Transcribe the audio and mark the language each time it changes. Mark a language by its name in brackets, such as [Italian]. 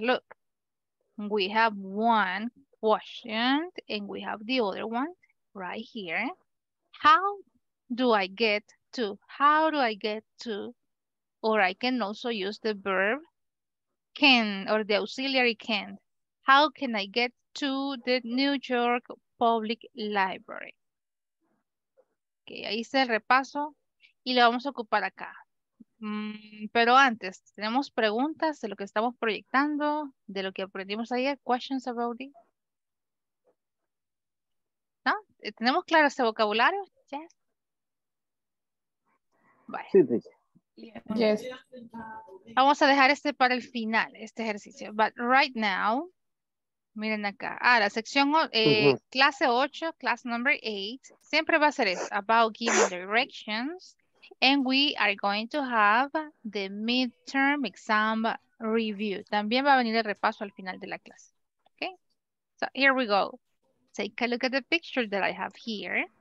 [English] Look, we have one question and we have the other one right here. How do I get to, how do I get to, or I can also use the verb can or the auxiliary can. How can I get to the New York Public Library? [Spanish] Okay, ahí está el repaso y lo vamos a ocupar acá. Pero antes, ¿tenemos preguntas de lo que estamos proyectando, de lo que aprendimos ayer? [English] Questions about it? [Spanish] ¿No? ¿Tenemos claro este vocabulario? Yes. Bye. Sí, sí. [English] Yes. [Spanish] Vamos a dejar este para el final, este ejercicio. [English] But right now, [Spanish] miren acá. Ah, la sección, clase 8, [English] class number 8, [Spanish] siempre va a ser eso, [English] about giving directions. And we are going to have the midterm exam review. [Spanish] También va a venir el repaso al final de la clase. [English] Okay? So here we go. Take a look at the picture that I have here.